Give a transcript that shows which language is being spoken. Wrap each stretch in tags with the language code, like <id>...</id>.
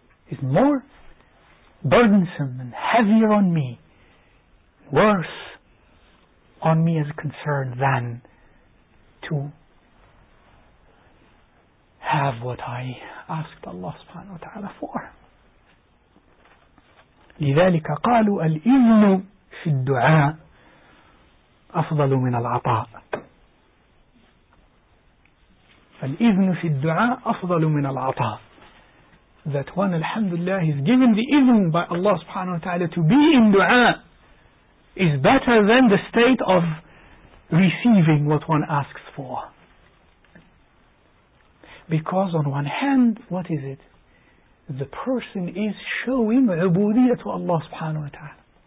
<en>Is more burdensome and heavier on me, worse on me as a concern than to have what I asked Allah subhanahu wa ta'ala for.</en> <ar>لذلك قالوا الإذن في الدعاء أفضل من العطاء. الإذن في الدعاء أفضل من العطاء.</ar> <en>That one, alhamdulillah, is given the izn by Allah subhanahu wa ta'ala to be in dua is better than the state of receiving what one asks for. Because on one hand, what is it? The person is showing ubudiyyah to Allah subhanahu wa ta'ala.</en>